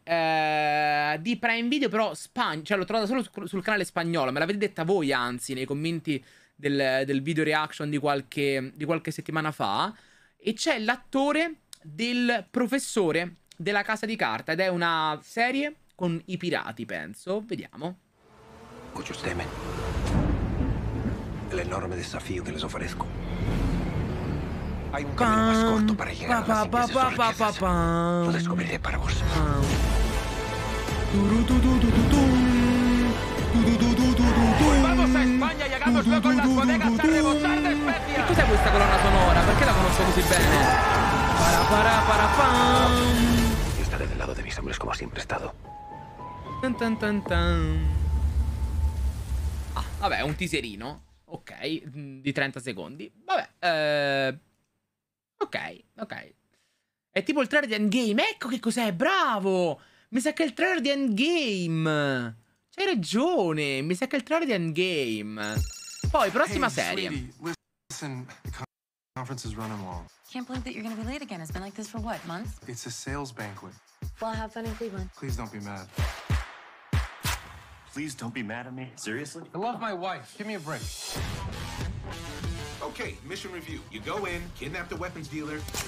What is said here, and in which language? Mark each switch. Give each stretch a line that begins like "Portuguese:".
Italian: Di Prime Video, però, cioè, l'ho trovata solo sul canale spagnolo. Me l'avete detta voi, anzi, nei commenti del video reaction di qualche settimana fa. E c'è l'attore del professore della Casa di Carta. Ed è una serie con i pirati, penso. Vediamo.
Spanish: Muchos temen el enorme desafío que les ofrezco. Hay un camino más corto para llegar a las inmensas riquezas. Lo descubriré para vos. Vamos a España y hagamos luego en las bodegas a rebosar de especias. ¿Qué es esta
Italian: colonna sonora?
Spanish: ¿Por qué la conozco
Italian: così bene?
Spanish: Yo estaré del lado de mis hombres como siempre he estado. Tan tan tan tan.
Italian: Ah, vabbè, un teaserino, ok, di 30 secondi, vabbè, ok, è tipo il trailer di Endgame, ecco che cos'è, bravo, mi sa che è il trailer di Endgame, c'hai ragione, mi sa che è il trailer di Endgame, poi, prossima serie.
English: Conference is running long. Can't believe that you're gonna be late again. It's been like this for what, months? It's a sales banquet. Well, have fun in Cleveland. Please don't be mad. Please don't be mad at me. Seriously? I love my wife. Give me a break. Okay, mission review. You go in, kidnap the weapons dealer,